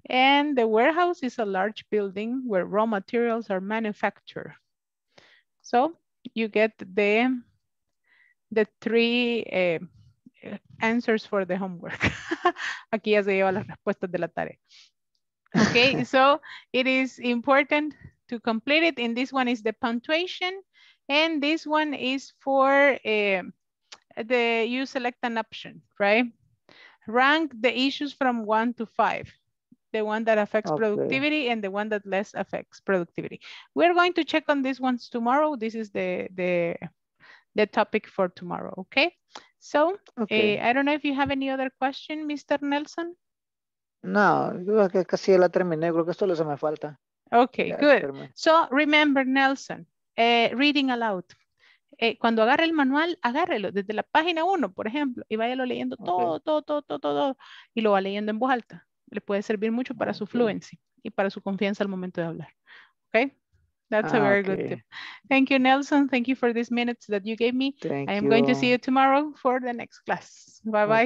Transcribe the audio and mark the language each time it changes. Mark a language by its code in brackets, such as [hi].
[en] And the warehouse is a large building where raw materials are manufactured. So you get the three answers for the homework. Aquí ya se lleva las respuestas de la tarea. Okay, so it is important to complete it. And this one is the punctuation. And this one is for the you select an option, right? Rank the issues from 1 to 5. The one that affects productivity and the one that less affects productivity. We're going to check on these ones tomorrow. This is the topic for tomorrow, okay? So, okay. I don't know if you have any other question, Mr. Nelson? [es] No, yo casi la terminé, creo que solo se me falta. [en] Okay, ya, good. So, remember, Nelson, reading aloud. [es] Cuando agarre el manual, agárrelo desde la página 1, por ejemplo, y váyalo leyendo todo, y lo va leyendo en voz alta. Le puede servir mucho para su fluency y para su confianza al momento de hablar. [en] Okay? That's a very good tip. Thank you, Nelson. Thank you for these minutes that you gave me. Thank you. I am going to see you tomorrow for the next class. Bye-bye.